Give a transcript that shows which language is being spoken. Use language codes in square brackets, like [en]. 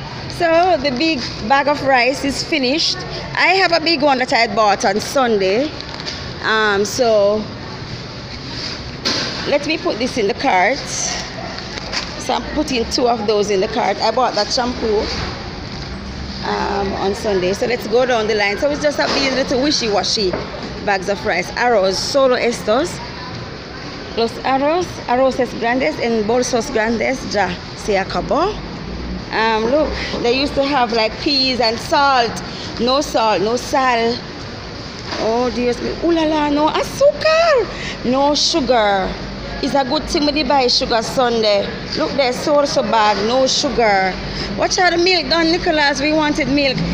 [en] So the big bag of rice is finished. I have a big one that I bought on Sunday. So. Let me put this in the cart. So I'm putting two of those in the cart. I bought that shampoo on Sunday. So let's go down the line. So it's just up these little wishy-washy bags of rice. [es] Arroz, solo estos. Los arroz, arroz es grandes en bolsos grandes ya se acabó. [en] Look, they used to have like peas and salt. No salt, [es] no sal. [en] Oh dear, ooh la la, [es] no azúcar, [en] no sugar. It's a good thing when you buy sugar Sunday. Look, they're so bad, no sugar. Watch out, the milk done, Nicholas. We wanted milk.